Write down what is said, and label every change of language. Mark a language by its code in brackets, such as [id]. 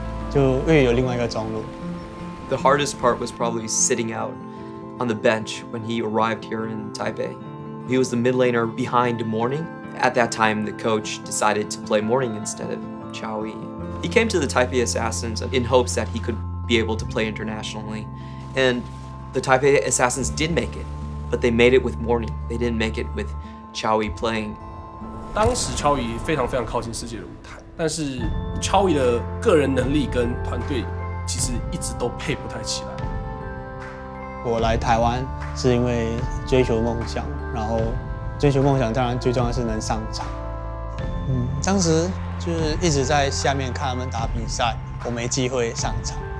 [zh] 因为就是不能每天看我家人，我就过来台湾了。然后结果没有让我上场，就因为有另外一个中路。 [en] The hardest part was probably sitting out on the bench when he arrived here in Taipei. He was the mid laner behind Morning. At that time, the coach decided to play Morning instead of Chawy. He came to the Taipei Assassins in hopes that he could be able to play internationally, and the Taipei Assassins did make it, but they made it with Morning. They didn't make it with Chawy playing. [zh] 当时Chawy非常非常靠近世界舞台，但是Chawy的个人能力跟团队其实一直都配不太起来。我来台湾是因为追求梦想，然后追求梦想当然最重要是能上场。当时就是一直在下面看他们打比赛，我没机会上场。